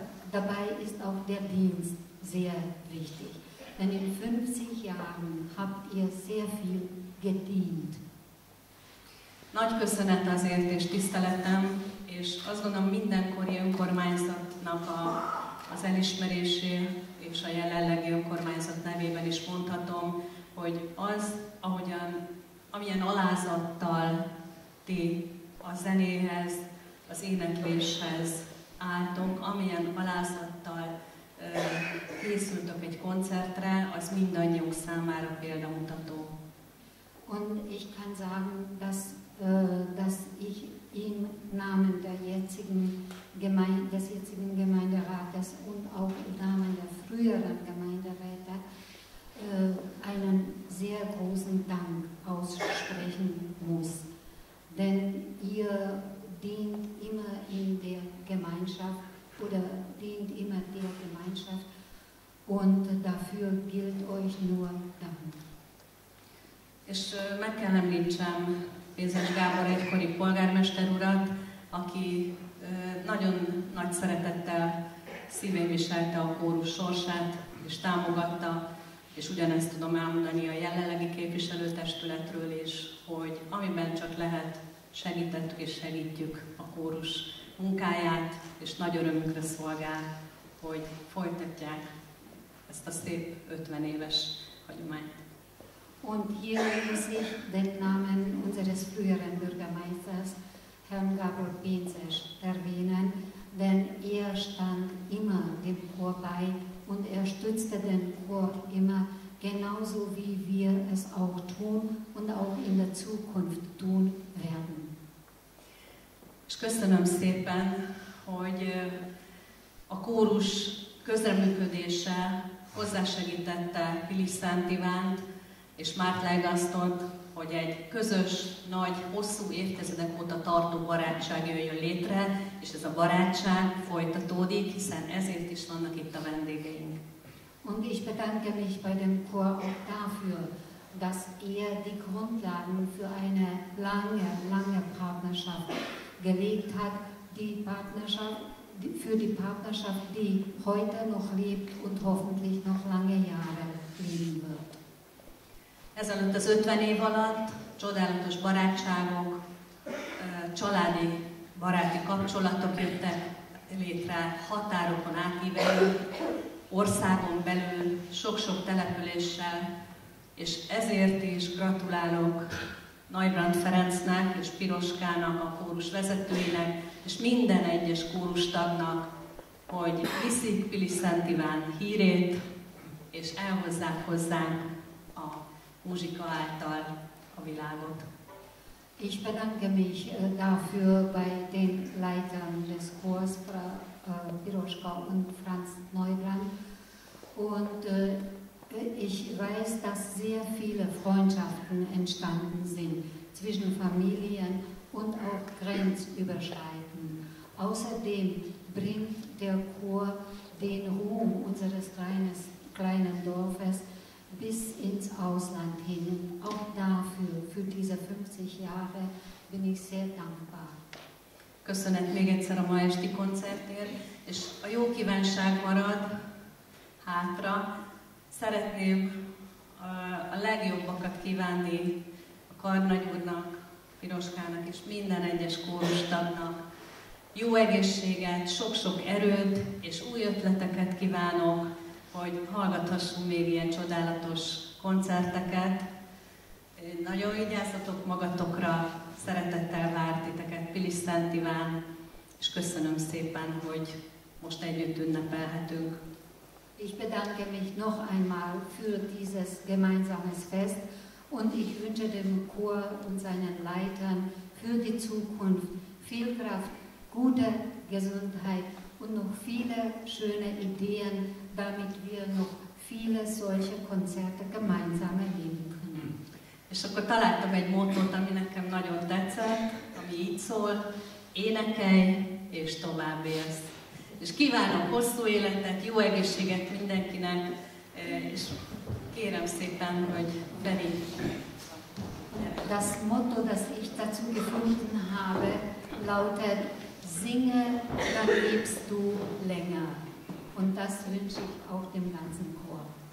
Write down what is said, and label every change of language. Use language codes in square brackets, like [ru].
[de] Dabei ist auch der Dienst sehr wichtig. Denn in 50 Jahren habt ihr sehr viel gedient. [hu] Nagy köszönet azért és tiszteletem, és azt gondolom mindenkori önkormányzatnak az elismerésén és a jelenlegi önkormányzat nevében is mondhatom, hogy az, amilyen alázattal ti a zenéhez, az énekléshez álltok, amilyen alázattal készültök egy koncertre, az mindannyiunk számára példamutató. [de] Und ich kann sagen, dass ich im Namen des jetzigen Gemeinderates und auch im Namen der früheren Gemeinderäte einen sehr großen Dank aussprechen muss. Denn ihr dient immer in der Gemeinschaft oder dient immer der Gemeinschaft und dafür gilt euch nur Dank. [hu] És meg kell említsem Pénzes Gábor egykori polgármester urat, aki nagyon nagy szeretettel szívén viselte a kórus sorsát és támogatta, és ugyanezt tudom elmondani a jelenlegi képviselőtestületről is, hogy amiben csak lehet, segítettük és segítjük a kórus munkáját, és nagy örömünkre szolgál, hogy folytatják ezt a szép 50 éves hagyományt. [de] Und hier muss ich den Namen unseres früheren Bürgermeisters, Herrn Gábor Pénzes, erwähnen, denn er stand immer dem Chor bei und er stützte den Chor immer, genauso wie wir es auch tun und auch in der Zukunft tun werden. [hu] És köszönöm szépen, hogy a kórus közreműködése hozzásegítette Pilis Szent Ivánt, és Márt Leigasztot, hogy egy közös, nagy, hosszú évtizedek óta tartó barátság jöjjön létre, és ez a barátság folytatódik, hiszen ezért is vannak itt a vendégeink. [de] Und ich bedanke mich bei dem Chor auch dafür, dass die Grundlagen für eine lange, lange Partnerschaft gelegt hat, für die Partnerschaft, die heute noch lebt und hoffentlich noch lange Jahre leben wird. [hu] Ezelőtt az 50 év alatt csodálatos barátságok, családi, baráti kapcsolatok jöttek létre, határokon átívelő, országon belül, sok-sok településsel, és ezért is gratulálok Neubrand Ferencnek és Piroskának, a kórus vezetőinek, és minden egyes kórustagnak, hogy viszik Pilis Szent Iván hírét, és elhozzák hozzánk a Musika által a világot. [de] Ich bedanke mich dafür bei den Leitern des Chors, Piroska und Franz Neubrand. Und ich weiß, dass sehr viele Freundschaften entstanden sind zwischen Familien und auch grenzüberschreitend. Außerdem bringt der Chor den Ruhm unseres kleinen Dorfes bis ins Ausland hin. Auch dafür, für diese 50 Jahre, bin ich sehr dankbar. [hu] Köszönet még egyszer a ma esti koncertért, és a jó kívánság marad hátra. Szeretném a legjobbakat kívánni a Karnagy úrnak, Piroskának és minden egyes kórustagnak. Jó egészséget, sok-sok erőt és új ötleteket kívánok, hogy hallgathassunk még ilyen csodálatos koncerteket. Nagyon vigyázzatok magatokra, szeretettel vár titeket Pilis Szent Iván, és köszönöm szépen, hogy most együtt ünnepelhetünk. [de] Ich bedanke mich noch einmal für dieses gemeinsames Fest und ich wünsche dem Chor und seinen Leitern für die Zukunft viel Kraft, gute Gesundheit und noch viele schöne Ideen, damit wir noch viele solche Konzerte gemeinsam erleben können. [hu] És akkor találtam egy mottót, ami nekem nagyon tetszett, ami így szól: énekelj és tovább élsz. És kívánok hosszú életet, jó egészséget mindenkinek, és kérem szépen, hogy Feri. [de] Das Motto, das ich dazu gefunden habe, lautet: singe, dann lebst du länger. Und das wünsche ich auch dem ganzen Chor.